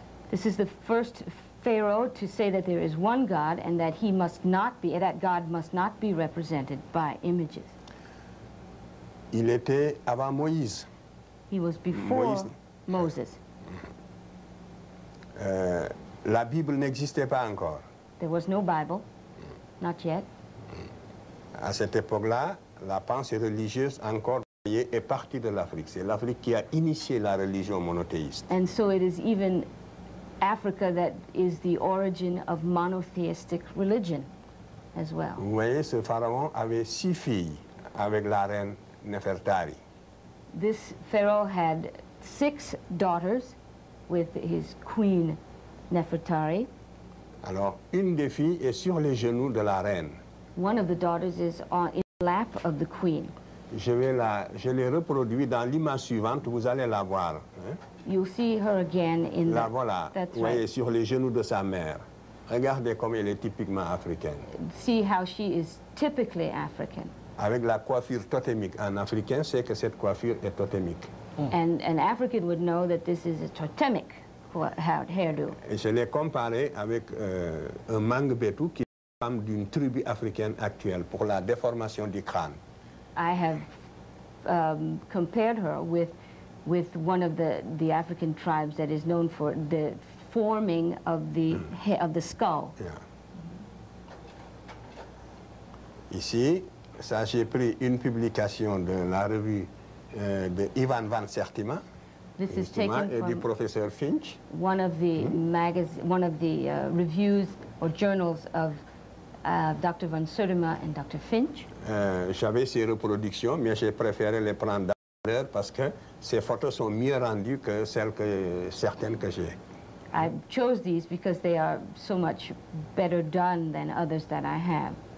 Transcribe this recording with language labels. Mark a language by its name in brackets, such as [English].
[English] This is the first pharaoh to say that there is one God and that he must not be, that God must not be represented by images. [French] Il était avant Moïse. [English] He was before Moïse. Moses. [French] La Bible n'existait pas encore. [English] There was no Bible, not yet. [French] À cette époque-là, la pensée religieuse encore est partie de l'Afrique. C'est l'Afrique qui a initié la religion monothéiste. [English] And so it is even Africa that is the origin of monotheistic religion as well. [French] Vous voyez, ce pharaon avait 6 filles avec la reine Nefertari. [English] This pharaoh had 6 daughters with his queen Nefertari. [French] Alors, une des filles est sur les genoux de la reine. [English] One of the daughters is on, in the lap of the queen. [French] Je l'ai reproduit dans l'image suivante, vous allez la voir. [English] You'll see her again in [French] la [English] the, [French] voilà, [English] that's [French] voyez, [English] right. [French] Sur les genoux de sa mère. Regardez comme elle est typiquement africaine. [English] See how she is typically African. [French] Avec la coiffure totémique. Un Africain sait que cette coiffure est totémique. Mm. [English] And an African would know that this is a totemic hairdo. [French] Et je l'ai comparé avec un Mangbetu qui est une femme d'une tribu africaine actuelle pour la déformation du crâne. [English] I have compared her with one of the African tribes that is known for the forming of the of the skull. Yeah. [French] Ici, ça j'ai pris une publication de la revue de Ivan Van Sertima. [English] This is taken from [French] du professeur Finch. [English] One of the reviews or journals of Dr. Van Sertima and Dr. Finch. [French] J'avais ces reproductions, mais j'ai préféré les prendre d'ailleurs parce que ces photos sont mieux rendues que celles que certaines que j'ai. [English] I chose these because they are so much better done than others that I have.